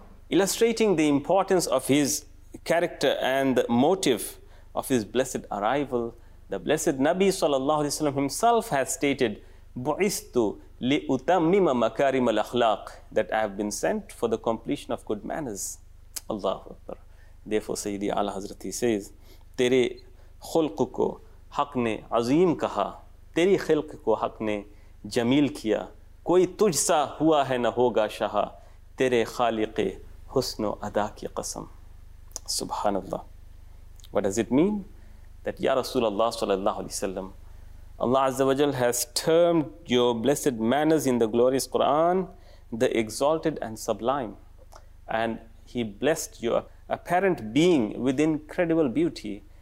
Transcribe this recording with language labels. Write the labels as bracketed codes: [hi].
[en] Illustrating the importance of his character and the motive of his blessed arrival, the blessed Nabi sallallahu alayhi wa sallam himself has stated, [ar] بُعِثْتُ لِأُتَمِّمَ مَكَارِمَ الْأَخْلَاقِ, [en] that I have been sent for the completion of good manners. [ar] Allahu Akbar. [en] Therefore, Sayyidi Ala Hazrat, he says, [ur] تیرے خلق کو حق نے عظیم کہا, تیری خلق کو حق نے جمیل کیا, کوئی تجھ سا ہوا ہے نہ ہوگا شہا, تیرے خالق حسن و ادا کی قسم. [en] سبحان اللہ. What does it mean? That Ya Rasul Allah sallallahu alayhi wa sallam, Allah Azza wa Jal has termed your blessed manners in the glorious Quran the exalted and sublime. And he blessed your apparent being with incredible beauty.